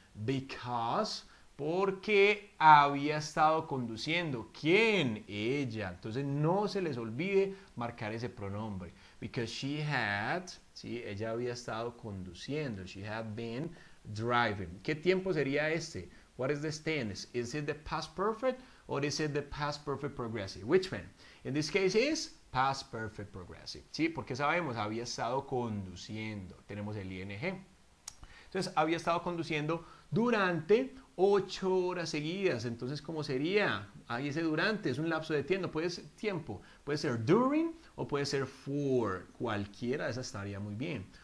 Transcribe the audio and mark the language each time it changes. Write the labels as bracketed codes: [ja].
[es] Because, porque había estado conduciendo. ¿Quién? Ella. Entonces, no se les olvide marcar ese pronombre. [en] Because she had, [es] sí, ella había estado conduciendo. [en] She had been driving. [es] ¿Qué tiempo sería este? [en] What is this tense? Is it the past perfect or is it the past perfect progressive? Which one? In this case is past perfect progressive. [es] Sí, porque sabemos, había estado conduciendo. Tenemos el ing. Entonces, había estado conduciendo durante 8 horas seguidas. Entonces, ¿cómo sería? Ahí ese durante, es un lapso de tiempo. Puede ser tiempo. Puede ser during o puede ser for. Cualquiera de esas estaría muy bien.